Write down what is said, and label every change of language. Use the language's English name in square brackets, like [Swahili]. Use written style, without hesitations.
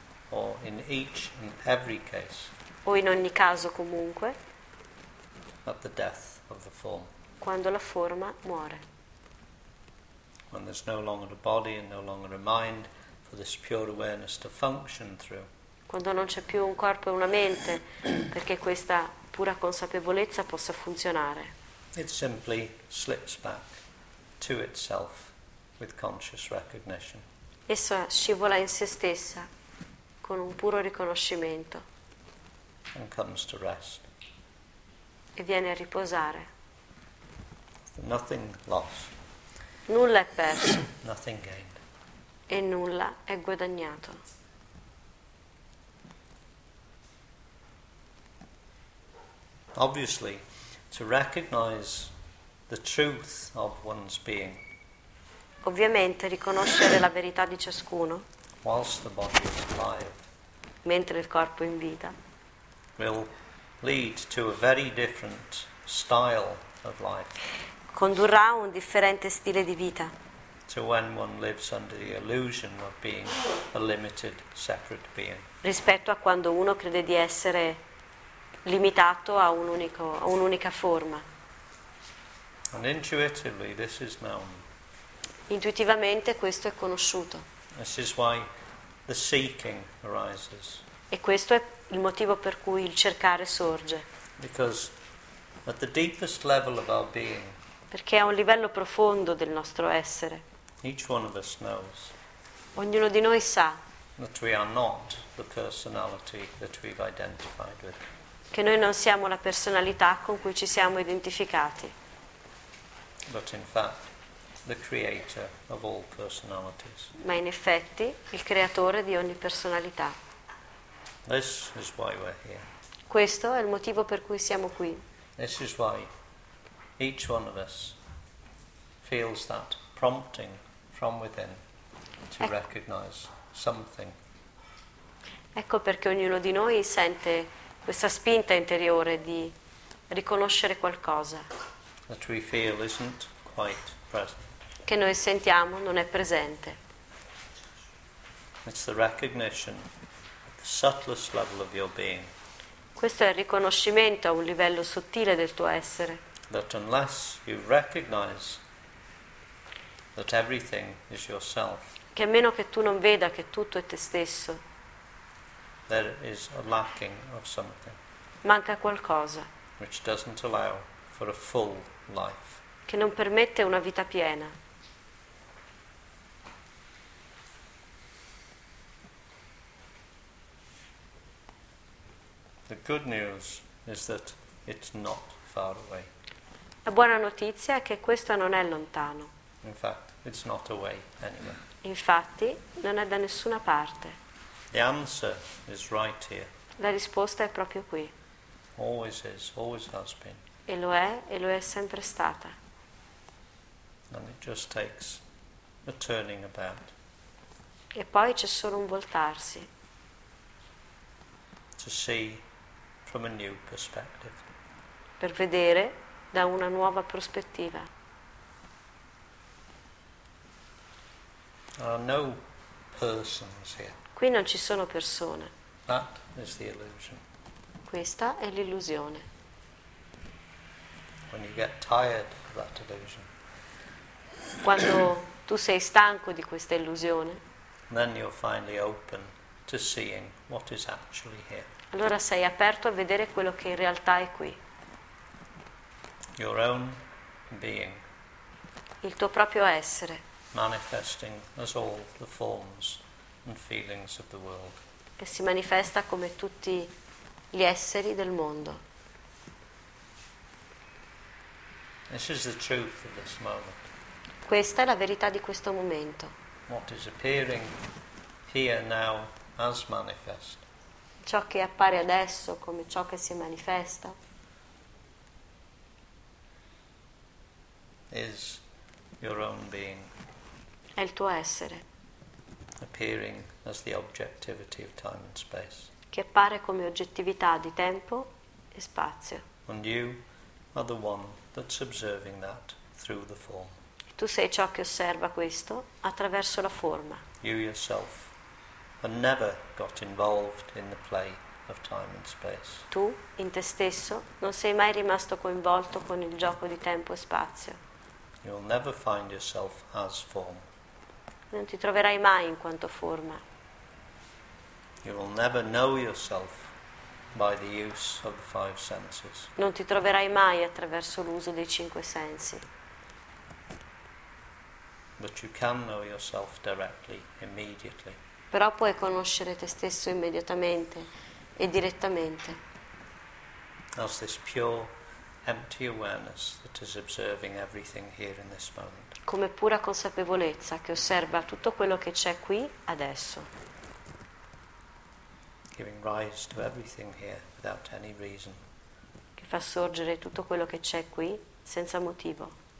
[English] Or in each and every case. [Italian] O in ogni caso comunque. [English] At the death of the form. [Italian] Quando la forma muore. [English] When there's no longer a body and no longer a mind for this pure awareness to function through. [Italian] Quando non c'è più un corpo e una mente perché questa pura consapevolezza possa funzionare. [English] It simply slips back to itself with conscious recognition. [Italian] Essa scivola in se stessa con un puro riconoscimento. [English] And comes to rest. [Italian] E viene a riposare. [English] Nothing lost. [Italian] Nulla è perso. [English] Nothing gained. [Italian] E nulla è guadagnato. [English] Obviously, to recognize the truth of one's being. [Italian] Ovviamente riconoscere la verità di ciascuno. [English] Whilst the body is alive. [Italian] Mentre il corpo è in vita. [English] Will lead to a very different style of life. [Italian] Condurrà a un differente stile di vita. [English] To when one lives under the illusion of being a limited, separate being. [Italian] Rispetto a quando uno crede di essere limitato a un unico, a un'unica forma. [English] And intuitively this is known. [Italian] Intuitivamente questo è conosciuto. [English] This is why the seeking arises. [Italian] E questo è il motivo per cui il cercare sorge. [English] Because at the deepest level of our being. [Italian] Perché a un livello profondo del nostro essere. [English] Each one of us knows. [Italian] Ognuno di noi sa. [English] That we are not the personality that we've identified with. [Italian] Che noi non siamo la personalità con cui ci siamo identificati. [English] But in fact, the creator of all personalities. [Italian] Ma in effetti, il creatore di ogni personalità. [English] This is why we're here. [Italian] Questo è il motivo per cui siamo qui. [English] This is why each one of us feels that prompting from within to recognize something. [Italian] Ecco perché ognuno di noi sente questa spinta interiore di riconoscere qualcosa. [English] That we feel isn't quite present. [Italian] Che noi sentiamo non è presente. [English] It's the recognition at the subtlest level of your being. [Italian] Questo è il riconoscimento a un livello sottile del tuo essere. [English] That unless you recognize that everything is yourself. [Italian] Che a meno che tu non veda che tutto è te stesso. [English] There is a lacking of something. [Italian] Manca qualcosa. [English] Which doesn't allow for a full life. [Italian] Che non permette una vita piena. [English] The good news is that it's not far away. [Italian] La buona notizia è che questo non è lontano. [English] In fact, it's not away anywhere. [Italian] Infatti, non è da nessuna parte. [English] The answer is right here. [Italian] La risposta è proprio qui. [English] Always is, always has been. [Italian] E lo è sempre stata. [English] And it just takes a turning about. [Italian] E poi c'è solo un voltarsi. [English] To see from a new perspective. [Italian] Per vedere da una nuova prospettiva. [English] There are no persons here. [Italian] Qui non ci sono persone. [English] That is the illusion. [Italian] Questa è l'illusione. [English] When you get tired of that illusion. [Italian] Quando tu sei stanco di questa illusione. [English] Then you're finally open to seeing what is actually here. [Italian] Allora sei aperto a vedere quello che in realtà è qui. [English] Your own being. [Italian] Il tuo proprio essere. [English] Manifesting as all the forms and feelings of the world. [Italian] Che si manifesta come tutti gli esseri del mondo. [English] This is the truth of this moment. [Italian] Questa è la verità di questo momento. [English] What is appearing here now as manifest. [Italian] Ciò che appare adesso come ciò che si manifesta. [English] Is your own being. [Italian] È il tuo essere. [English] Appearing as the objectivity of time and space. [Italian] Che appare come oggettività di tempo e spazio. [English] And you are the one that's observing that through the form. [Italian] Tu sei ciò che osserva questo attraverso la forma. [English] You yourself have never got involved in the play of time and space. [Italian] Tu, in te stesso, non sei mai rimasto coinvolto con il gioco di tempo e spazio. [English] You'll never find yourself as form. [Italian] Non ti troverai mai in quanto forma. [English] You will never know yourself by the use of the five senses. [Italian] Non ti troverai mai attraverso l'uso dei cinque sensi. [English] But you can know yourself directly, immediately. [Italian] Però puoi conoscere te stesso immediatamente e direttamente. [English] As this pure empty awareness that is observing everything here in this moment. [Italian] Come pura consapevolezza che osserva tutto quello che c'è qui adesso. [English] Giving rise to everything here without any reason. [Italian] Che fa sorgere tutto quello che c'è qui senza motivo.